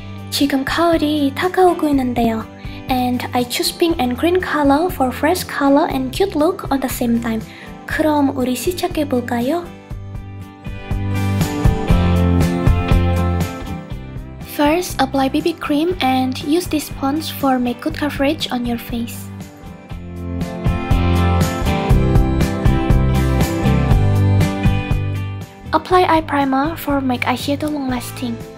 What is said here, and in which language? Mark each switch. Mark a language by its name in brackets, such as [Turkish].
[Korean] 지금 가을이 다가오고 있는데요. [English] And I choose pink and green color for fresh color and cute look at the same time. [Korean] 그럼 우리 시작해 볼까요? [English] First, apply BB cream and use this sponge for make good coverage on your face. Apply eye primer for make eyeshadow long lasting.